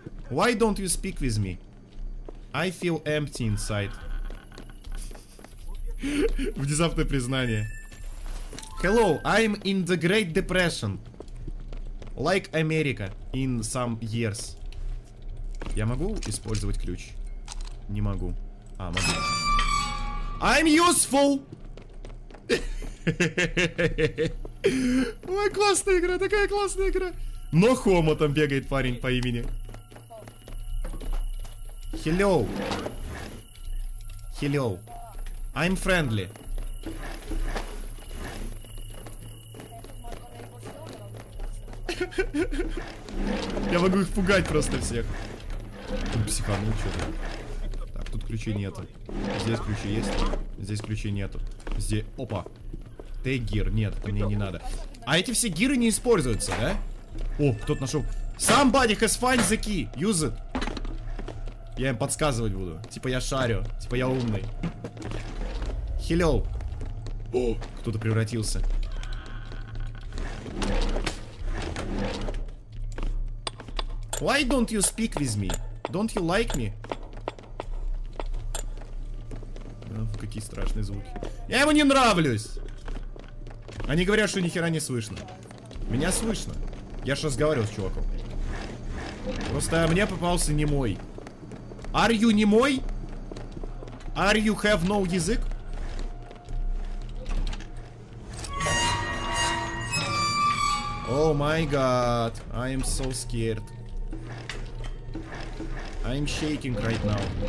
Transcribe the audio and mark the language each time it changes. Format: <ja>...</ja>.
<en>Why don't you speak with me? I feel empty inside.</en> <ru>Внезапное признание.</ru> <en>Hello, I'm in the Great Depression. Like America in some years.</en> <ru>Я могу использовать ключ? Не могу. А, могу.</ru> <en>I'm useful!</en> <ru>Ой, классная игра, такая классная игра. Но Хомо там бегает парень по имени.</ru> <en>Hello. Hello. I'm friendly.</en> <ru>Я могу их пугать просто всех. Он психанул что-то. Так, тут ключей нету. Здесь ключи есть. Здесь ключей нету. Здесь. Опа. Т-гир. Нет, мне не надо. А эти все гиры не используются, да? О, кто-то нашел.</ru> <en>Somebody has find the key. Use it.</en> <ru>Я им подсказывать буду. Типа я шарю. Типа я умный.</ru> <en>Hello.</en> <ru>О, кто-то превратился.</ru> <en>Why don't you speak with me? Don't you like me?</en> <ru>Ох, какие страшные звуки. Я ему не нравлюсь. Они говорят, что нихера не слышно. Меня слышно. Я же разговаривал с чуваком. Просто мне попался немой.</ru> <en>Are you</en> <ru>немой?</ru> <en>Are you have no</en> <ru>язык?</ru> <en>Oh my god. I am so scared. I'm shaking right now.</en>